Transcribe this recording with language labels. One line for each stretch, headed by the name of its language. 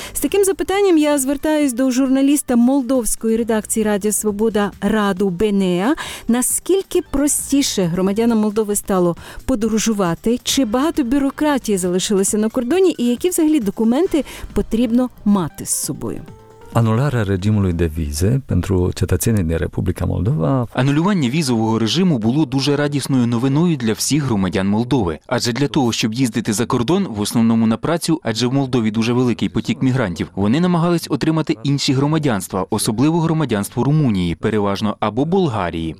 Ukrainian: З таким запитанням я звертаюсь до журналіста молдовської редакції Радіо Свобода Раду Бенеа. Наскільки простіше громадянам Молдови стало подорожувати? Чи багато бюрократії залишилося на кордоні? І які взагалі документи потрібно мати з собою?
Romanian: Anularea regimului de vize pentru cetățenii din Republica Moldova.
Ukrainian: Анулювання візового режиму було дуже радісною новиною для всіх громадян Молдови. Адже для того, щоб їздити за кордон, в основному на працю, адже в Молдові дуже великий потік мігрантів, вони намагались отримати інші громадянства, особливо громадянство Румунії, переважно або Болгарії.